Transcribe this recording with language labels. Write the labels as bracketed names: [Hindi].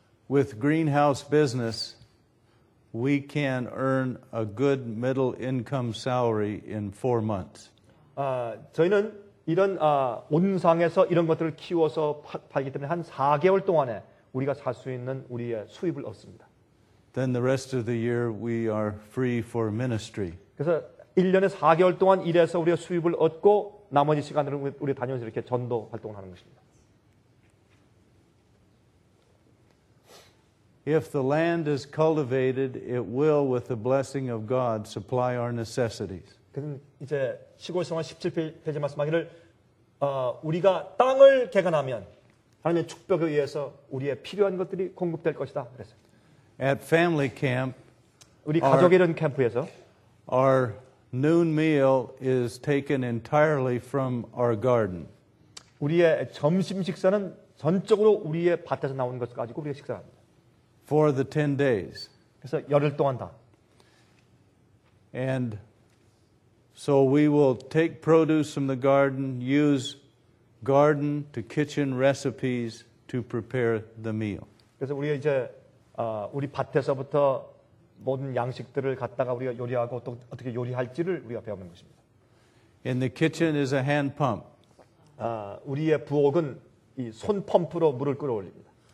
[English] With greenhouse business, we can earn a good middle income salary in 4 months. [Korean] 저희는 이런 온상에서 이런 것들을 키워서 팔기 때문에 한 4개월 동안에 우리가 살 수 있는 우리의 수입을 얻습니다. [English] Then the rest of the year we are free for ministry. [Korean] 그래서 1년에 4개월 동안 일해서 우리가 수입을 얻고 나머지 시간들은 우리 다녀서 이렇게 전도 활동을 하는 것입니다. [English] If the land is cultivated, it will, with the blessing of God, supply our necessities. [Korean] 그럼 이제 시골성화 17페이지 말씀하기를 우리가 땅을 개간하면 하나님의 축복에 의해서 우리의 필요한 것들이 공급될 것이다. 그래서. [English] At family camp, [Korean] 우리 가족의 이런 캠프에서 [English] our noon meal is taken entirely from our garden. [Korean] 우리의 점심 식사는 전적으로 우리의 밭에서 나온 것 가지고 우리가 식사합니다. [English] For the 10 days. [Korean] 그래서 열흘 동안 다. [English] And so we will take produce from the garden, use garden to kitchen recipes to prepare the meal. [Korean] 그래서 우리가 이제 우리 밭에서부터 모든 양식들을 갖다가 우리가 요리하고 또 어떻게 요리할지를 우리가 배우는 것입니다. [English] In the kitchen is a hand pump. [Korean] 우리의 부엌은 이 손 펌프로 물을 끌어올립니다.